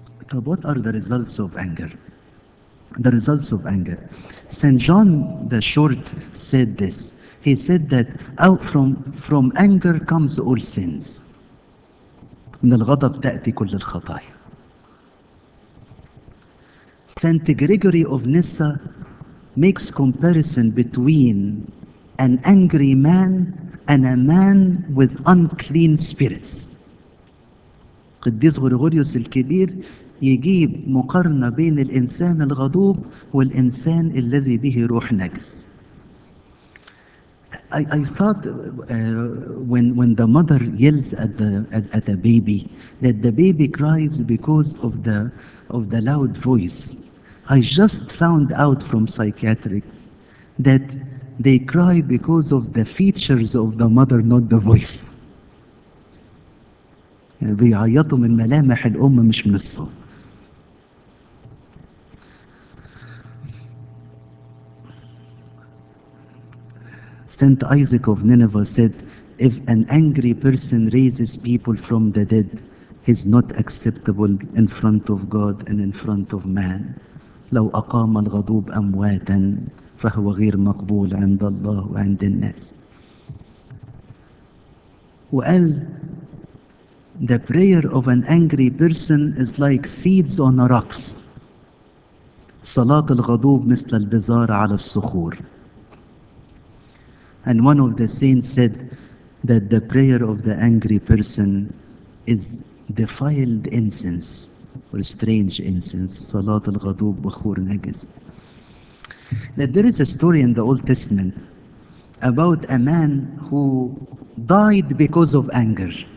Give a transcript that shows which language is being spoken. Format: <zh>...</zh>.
<en>طب what are the results of anger? The results of anger. Saint John the Short said this. He said that out from anger comes all sins.</en> <ar>من الغضب تأتي كل الخطايا.</ar> <en>Saint Gregory of Nyssa makes comparison between an angry man and a man with unclean spirits.</en> <ar>قديس غريغوريوس الكبير يجيب مقارنة بين الإنسان الغضوب والإنسان الذي به روح نجس.</ar> <en>I thought when the mother yells at a baby that the baby cries because of the loud voice. I just found out from psychiatrics that they cry because of the features of the mother, not the voice.</en> <ar>بيعيطوا من ملامح الأم مش من الصوت.</ar> <en>Saint Isaac of Nineveh said, if an angry person raises people from the dead, he's not acceptable in front of God and in front of man.</en> <ar>لو أقام الغضوب أمواتا فهو غير مقبول عند الله وعند الناس.</ar> <en>وقال, the prayer of an angry person is like seeds on rocks.</en> <ar>صلاة الغضوب مثل البزار على الصخور.</ar> <en>And one of the saints said that the prayer of the angry person is defiled incense or strange incense.</en> <ar>Salat al-ghadub bakhur najis.</ar> <en>That there is a story in the Old Testament about a man who died because of anger.</en>